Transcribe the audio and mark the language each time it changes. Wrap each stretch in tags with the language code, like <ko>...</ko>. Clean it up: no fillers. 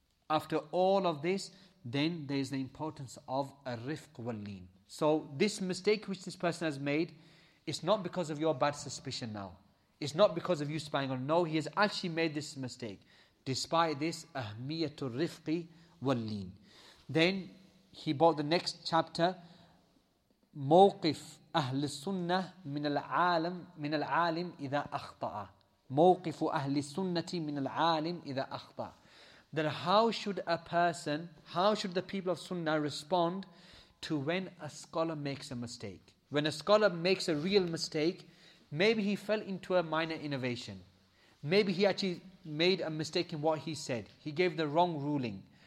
<en>After all of this, then there's the importance of a rifq wal-leen. So this mistake which this person has made, it's not because of your bad suspicion now. It's not because of you spying on. No, he has actually made this mistake. Despite this,</en> <ar>ahmiyatul rifqi wal-leen.</ar> <en>Then he bought the next chapter,</en> <ar>موقف أهل السنة من العالم من العالم إذا أخطأ. موقف أهل السنة من العالم إذا أخطأ.</ar> <en>Then how should a person, how should the people of Sunnah respond to when a scholar makes a mistake? When a scholar makes a real mistake, maybe he fell into a minor innovation. Maybe he actually made a mistake in what he said. He gave the wrong ruling.</en>